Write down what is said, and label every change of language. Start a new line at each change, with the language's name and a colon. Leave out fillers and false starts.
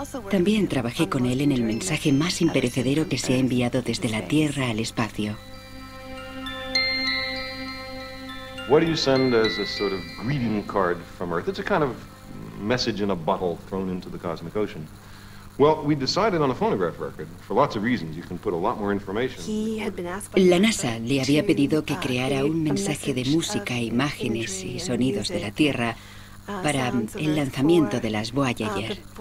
Spanish: También trabajé con él en el mensaje más imperecedero que se ha enviado desde la Tierra al espacio.
English: What do you send as a sort of greeting card from Earth? It's a kind of message in a bottle thrown into the cosmic ocean. Well, we decided on a phonograph record for lots of reasons. You can put a lot more information.
Spanish: La NASA le había pedido que creara un mensaje de música, imágenes y sonidos de la Tierra para el lanzamiento de las Voyager.